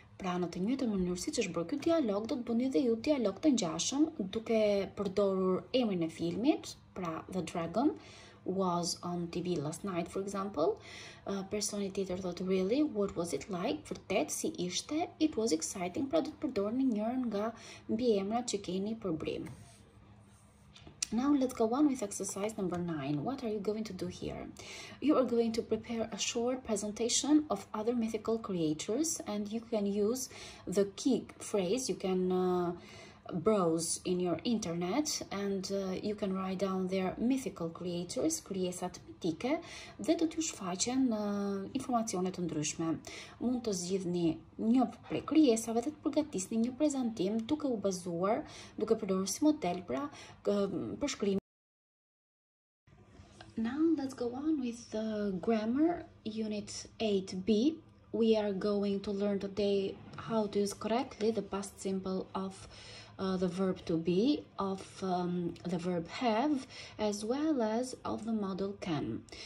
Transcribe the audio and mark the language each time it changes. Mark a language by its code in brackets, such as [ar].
[sq] Pra në të njëjtën mënyrë siç është bërë ky dialog, do të bëni edhe ju dialog të ngjashëm duke përdorur emrin e filmit, pra [en] The Dragon was on TV last night, for example. [sq] Personi tjetër thot [en] really, what was it like? [sq] Vërtet si ishte? [en] It was exciting. [sq] Pra do të përdorni njërin nga mbiemrat që keni për brim. [en] Now let's go on with exercise number 9. What are you going to do here? You are going to prepare a short presentation of other mythical creatures, and you can use the key phrase, you can browse in your internet, and you can write down their mythical creatures, [sq] krijesat mitike, dhe do t'ju shfaqen informacione të ndryshme. Mund të zgjidhni një prej krijesave dhe të përgatisni një prezantim duke u bazuar, duke përdorur si model pra përshkrim. [en] Now let's go on with the grammar unit 8b. We are going to learn today how to use correctly the past simple of the verb to be, of the verb have, as well as of the modal can.